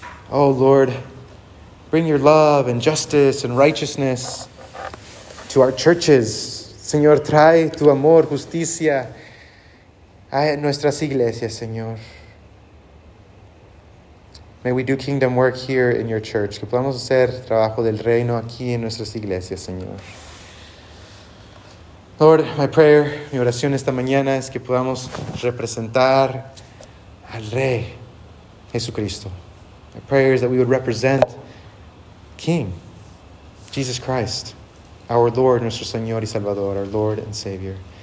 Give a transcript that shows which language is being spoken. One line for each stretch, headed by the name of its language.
English: Oh, Lord, bring your love and justice and righteousness to our churches.
Spanish: Señor, trae tu amor, justicia a nuestras iglesias, Señor.
English: May we do kingdom work here in your church.
Spanish: Que podamos hacer trabajo del reino aquí en nuestras iglesias, Señor.
English: Lord, my prayer,
Spanish: mi oración esta mañana es que podamos representar al Rey Jesucristo.
English: My prayer is that we would represent King Jesus Christ, our Lord,
Spanish: nuestro Señor y Salvador,
English: our Lord and Savior.